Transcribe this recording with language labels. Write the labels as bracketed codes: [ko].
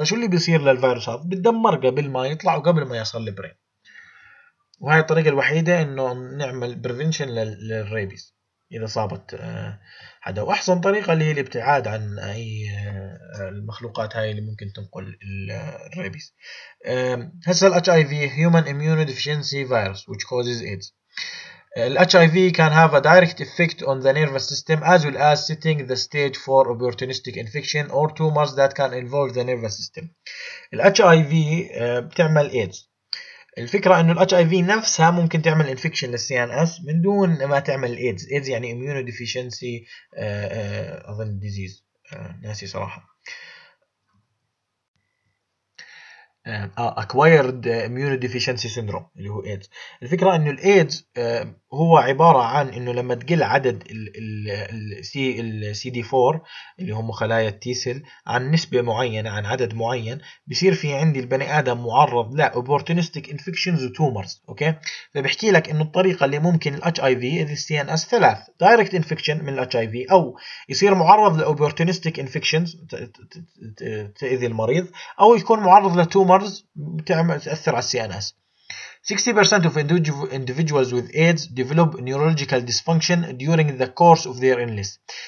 [ar] فشو اللي بيصير للفيروس هذا؟ بتدمر قبل ما يطلع وقبل ما يصل البرين، وهي الطريقه الوحيده انه نعمل بريفنشن للريبيز اذا صابت حدا. واحسن طريقه اللي هي الابتعاد عن اي المخلوقات هاي اللي ممكن تنقل الريبيز. [en] هسه ال HIV human immune deficiency virus which causes AIDS. ال HIV can have a direct effect on the nervous system as well as setting the stage for opportunistic infection or tumors that can involve the nervous system. [ar] ال HIV بتعمل AIDS. الفكرة انه الـ HIV نفسها ممكن تعمل infection للـ CNS من دون ما تعمل AIDS. AIDS يعني immunodeficiency اظن disease، ناسي صراحة. [en] acquired immunodeficiency syndrome [ar] اللي هو [en] AIDS. [ar] الفكرة انه الـ AIDS هو عبارة عن انه لما تقل عدد الـ CD4 اللي هم خلايا الـ T-cell عن نسبة معينة، عن عدد معين، بصير في عندي البني آدم معرض لـ opportunistic infections و tumors. اوكي؟ فبحكي لك انه الطريقة اللي ممكن الـ HIV اذا الـ CNS ثلاث: direct infection من الـ HIV، او يصير معرض لـ opportunistic infections تأذي المريض، او يكون معرض لـ tumors تأثر على الـ CNS. [en] 60% of individuals with AIDS develop neurological dysfunction during the course of their illness.